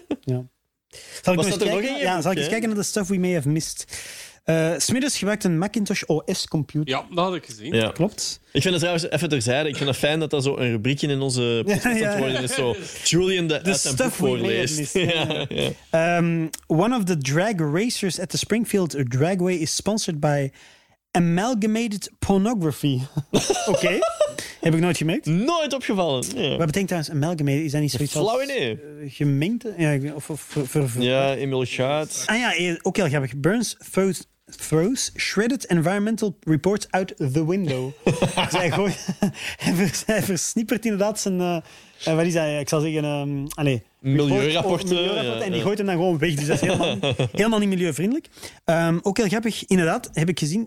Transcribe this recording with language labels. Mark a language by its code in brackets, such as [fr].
[nl] Ja. Zal ik, was dat er nog een? Ja, zal ik eens kijken naar de [en] stuff we may have missed. [nl] Smithers gebruikt een Macintosh OS-computer. Ja, dat had ik gezien. Ja. Klopt. Ik vind het trouwens, even terzijde, ik vind het fijn dat dat zo een rubriekje in onze podcast aan het worden is. Julian de uit stuff boek voorleest. [en] One of the drag racers at the Springfield Dragway is sponsored by Amalgamated Pornography. [nl] Oké. Okay. Heb ik nooit gemerkt? Nooit opgevallen. Ja. Wat betekent trouwens amalgamated? Is dat niet zoiets flauwe idee. Gemengd? Ja, emulsiaat. Ah ja, ook heel grappig. [en] Burns throws shredded environmental reports out the window. [nl] Dus hij versnippert inderdaad zijn... wat is hij? Ik zal zeggen... Milieurapporten. En die gooit hem dan gewoon weg. Dus dat is helemaal niet milieuvriendelijk. Ook heel grappig, inderdaad, heb ik gezien.